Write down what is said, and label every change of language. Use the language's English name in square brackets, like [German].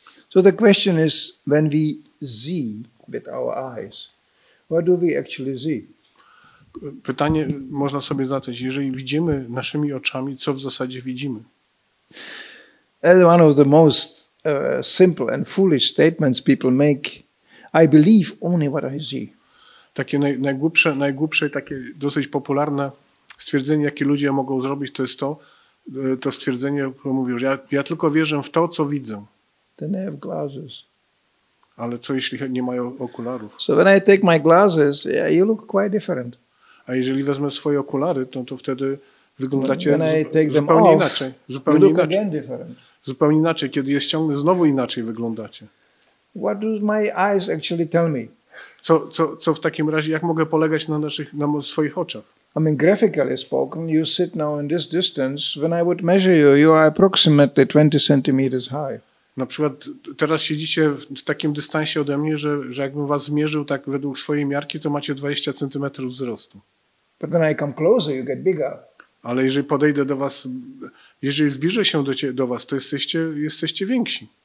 [English] So the question is, when we see with our eyes, what do we actually see? [Polish] Pytanie można sobie zadać, jeżeli widzimy naszymi oczami, co w zasadzie widzimy? [English] As one of the most simple and foolish statements people make, I believe only what I see. [Polish] Takie najgłupsze i takie dosyć popularne stwierdzenie, jakie ludzie mogą zrobić, to jest to stwierdzenie, które mówią, że ja tylko wierzę w to, co widzę. [English] Then they have glasses. [Polish] Ale co jeśli nie mają okularów? [English] So when I take my glasses, yeah, you look quite different. [Polish] A jeżeli wezmę swoje okulary, to wtedy wyglądacie zupełnie inaczej. Zupełnie inaczej. Zupełnie inaczej. Kiedy je ściągnę, znowu inaczej wyglądacie. [English] What do my eyes actually tell me? [Polish] Co w takim razie, jak mogę polegać na swoich oczach? [English] I mean, graphically spoken, you sit now in this distance. When I would measure you, you are approximately 20 centimeters high. [Polish] Na przykład teraz siedzicie w takim dystansie ode mnie, że jakbym was zmierzył tak według swojej miarki, to macie 20 centymetrów wzrostu. [English] But when I come closer, you get bigger. [Polish] Ale jeżeli podejdę do was, jeżeli zbliżę się do was, to jesteście więksi.